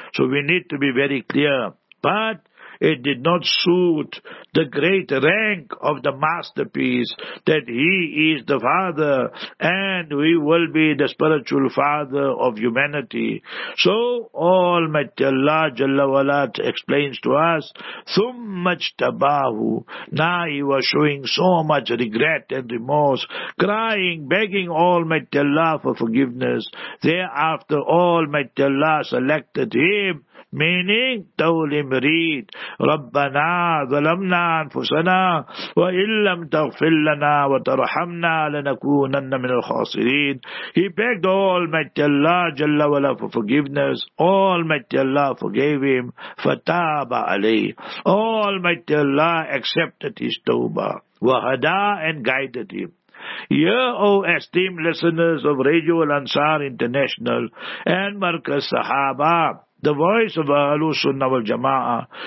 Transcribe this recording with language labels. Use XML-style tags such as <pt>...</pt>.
<en>So we need to be very clear. But it did not suit the great rank of the masterpiece, that he is the father and we will be the spiritual father of humanity. So Almighty Allah Jalla Wala explains to us,</en> <ar>ثُمَّ اجْتَبَاهُ.</ar> <en>Now he was showing so much regret and remorse, crying, begging Almighty Allah for forgiveness. Thereafter Almighty Allah selected him, meaning, told him, read,</en> <ar>رَبَّنَا ظَلَمْنَا أَنفُسَنَا وَإِن لَّمْ تَغْفِرْ لَنَا وَتَرْحَمْنَا لَنَكُونَنَّ مِنَ الْخَاسِرِينَ.</ar> <en>He begged Almighty Allah Jalla Wala for forgiveness. Almighty Allah forgave him.</en> <ar>فَتَابَ عَلَيْهِ.</ar> <en>Almighty Allah accepted his tawbah. وَهَدَى, and guided him. Here, O esteemed listeners of Radio Al-Ansar International and Markaz Sahaba, the voice of Ahlus Sunnah wal Jama'ah.</en>